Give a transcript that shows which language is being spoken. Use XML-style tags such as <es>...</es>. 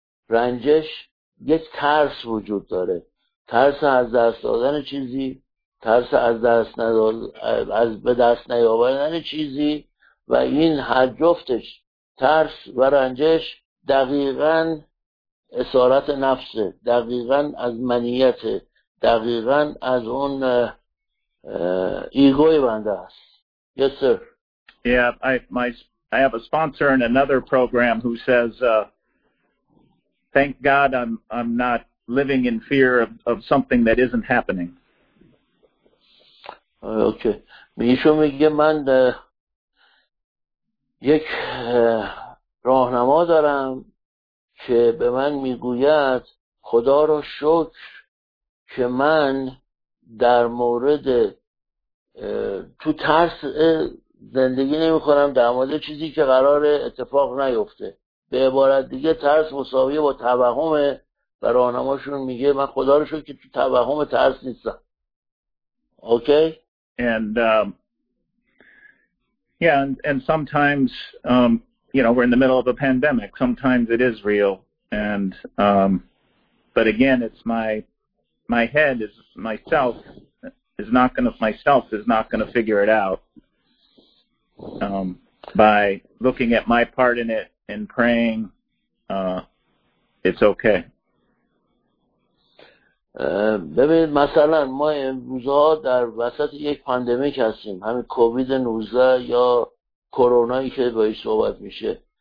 <fa>رنجش یک ترس وجود داره، ترس از دست دادن چیزی، ترس از دست از به دست نیاوردن چیزی، و این هر جفتش ترس و رنجش دقیقاً اسارت نفسه، دقیقاً از منیت، دقیقاً از اون ایگوی بنده است. Yes sir.</fa> <en>Yeah, I have a sponsor in another program who says thank God I'm not living in fear of something that isn't happening. Okay.</en> <fa>میشو میگه من یک راهنما دارم که به من میگوید خدا رو شکر که من در مورد تو ترس زندگی نمی کنم، در مورد چیزی که قرار اتفاق نیفته. به عبارت دیگه ترس مساویه با توهمه و راهنماشون میگه من خدا رو شکر که تو توهم ترس نیستم.</fa> <en>Okay? And sometimes you know, we're in the middle of a pandemic. Sometimes it is real, and but again, it's my head is myself is not gonna figure it out by looking at my part in it and praying. It's okay.</en> <fa>ببینید مثلا ما امروزها در وسط یک پاندمیک هستیم، همین کووید 19 یا کرونایی که بایش صحبت میشه.</fa>